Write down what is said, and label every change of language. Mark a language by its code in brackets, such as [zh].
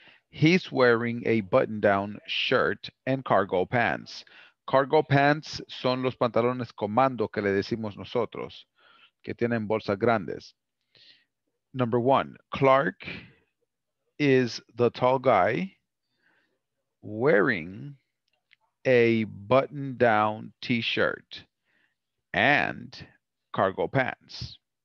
[en] He's wearing a button-down shirt and cargo pants. [es] Cargo pants son los pantalones comando que le decimos nosotros, que tienen bolsas grandes. [en] Number one, Clark is the tall guy wearing a button-down t-shirt and cargo pants.